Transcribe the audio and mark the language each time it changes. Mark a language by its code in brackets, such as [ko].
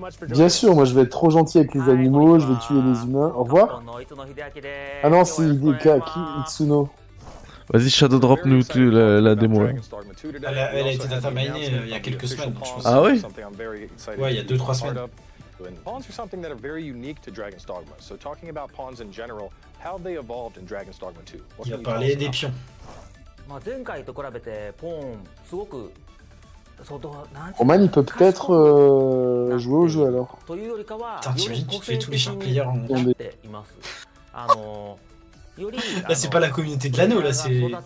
[fr] Bien sûr, moi, je vais être trop gentil avec les animaux, je vais tuer les humains. Au revoir. Ah non, c'est Hideka, qui Itsuno. Vas-y, Shadow Drop nous la démo. Elle a été dataminée il y a quelques semaines. Donc, ah oui? Ouais, il y a 2-3 semaines. [en] Pawns are something that are very unique to Dragon's Dogma. So talking about pawns in general, how they evolved in Dragon's Dogma 2. [fr] Il a parlé des pions. Roman, il peut peut-être jouer au jeu alors. Attends, t'imagines, tu te fais tous les chers players en. Là, c'est pas la communauté de l'anneau, là, c'est...